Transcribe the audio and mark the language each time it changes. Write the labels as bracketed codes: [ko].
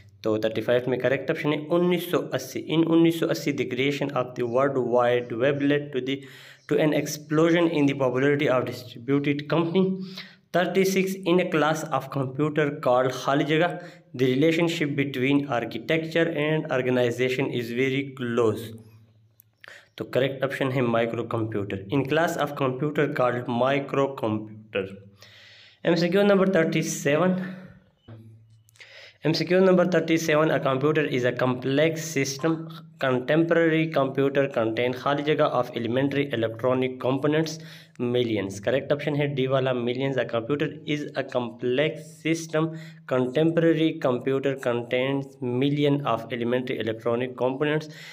[hi] So, 35 mein correct option hai [en] 1980. In 1980, the creation of the World Wide Web led to the to an explosion in the popularity of distributed computing. 36 In a class of computer called khali jagah, the relationship between architecture and organization is very close. [hi] तो correct option है [en] Micro computer in class of computer called micro computer MCQ number 37 MCQ number 37, a computer is a complex system. Contemporary computer contain khali jagah of elementary electronic components, millions. [hi] Correct option hai D wala, [en] millions. A computer is a complex system. Contemporary computer contains million of elementary electronic components.